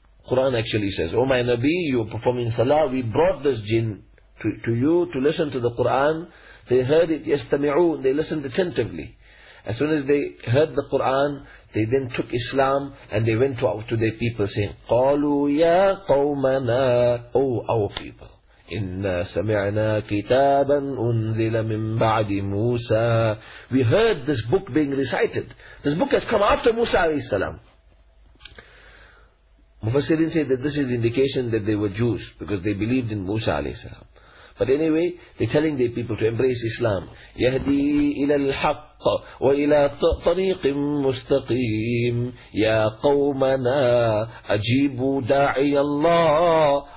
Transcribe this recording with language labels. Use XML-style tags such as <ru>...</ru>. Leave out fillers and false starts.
<en>Quran actually says, O my Nabi, you are performing salah, we brought this jinn to you to listen to the Quran. They heard it, yastami'un, they listened attentively. As soon as they heard the Quran, they then took Islam and they went out to their people saying,</en> <ar>قَالُوا يَا قَوْمَنَا.</ar> <en>O our people,</en> <ar>إِنَّا سَمِعْنَا كِتَابًا أُنزِلَ مِن بَعْدِ مُوسَى.</ar> <en>We heard this book being recited. This book has come after Musa alayhi salam. Mufassirin say that this is indication that they were Jews because they believed in Musa alayhi salam. But anyway, they're telling their people to embrace Islam.</en> <ar>يَهْدِي إِلَى الْحَقِّ وَإِلَى طَرِيقٍ مُسْتَقِيمٍ يَا قَوْمَنَا أَجِيبُوا دَاعِيَ اللَّهِ.</ar>